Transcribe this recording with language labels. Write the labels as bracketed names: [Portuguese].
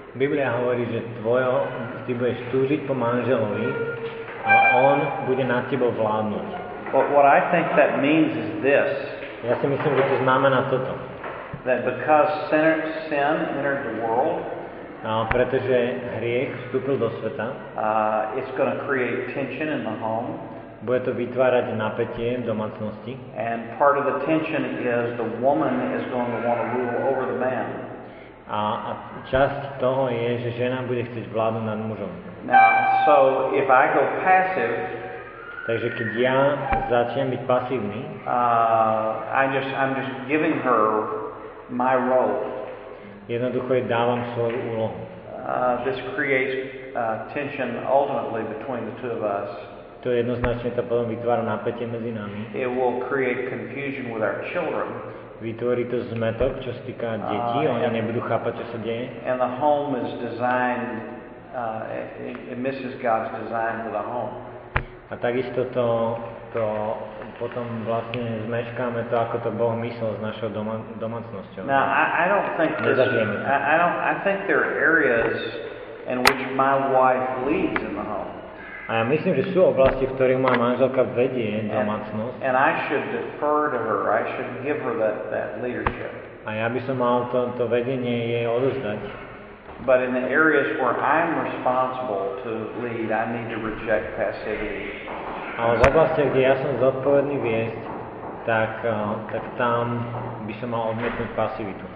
[Slovak] Biblia hovorí, že ty budeš túžiť po manželovi a on bude nad tebou vládnuť. [English] But what I think that means is this. [Slovak] Ja si myslím, že to znamená toto. [English] That because sin entered the world, [Slovak] pretože hriech vstúpil do sveta, [English] it's going to create tension in the home. [Slovak] Bude to vytvárať napätie v domácnosti. [English] And part of the tension is the woman is going to want to rule over the man. [Slovak] A časť toho je, že žena bude chcieť vládnuť nad mužom. [English] Now, so if I go passive, [Slovak] takže keď ja začnem byť pasívny, [English] I'm just giving her my role. [Slovak] Jednoducho jej dávam svoju úlohu. [English] This creates tension ultimately between the two of us. [Slovak] To jednoznačne to potom vytvára napätie medzi nami. [English] It will create confusion with our children. [Slovak] Vytvorí to zmetok, čo sa týka detí, oni nebudú chápať, čo sa deje. [English] And the home is designed, it misses God's design for the home. [Slovak] A takisto to potom vlastne zmeškáme to, ako to Boh myslel s našou domácnosťou. [English] Now, I don't think I think there are areas in which my wife leads in the home. [Slovak] A ja myslím, že sú oblasti, v ktorých moja manželka vedie domácnosť. [English] And I should defer to her. I should give her that leadership. [Slovak] A ja by som mal to vedenie jej odozdať. [English] But in the areas where I'm responsible to lead, I need to reject passivity. [Slovak] Ale v oblastiach, kde ja som zodpovedný viesť, tak tam by som mal odmietnúť pasivitu.